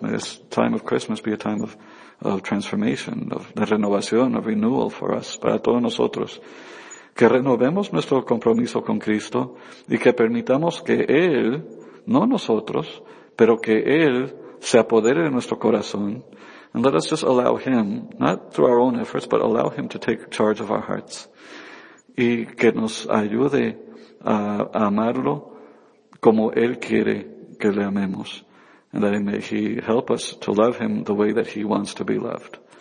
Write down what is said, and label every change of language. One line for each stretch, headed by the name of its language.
English: May this time of Christmas be a time of transformation,
Spanish: de renovación,
English: of renewal for us,
Spanish: para todos nosotros. Que renovemos nuestro compromiso con Cristo y que permitamos que Él, no nosotros, pero que Él se apodere de nuestro corazón.
English: And let us just allow Him, not through our own efforts, but allow Him to take charge of our hearts.
Spanish: Y que nos ayude a amarlo como Él quiere que le amemos.
English: And that may He help us to love Him the way that He wants to be loved.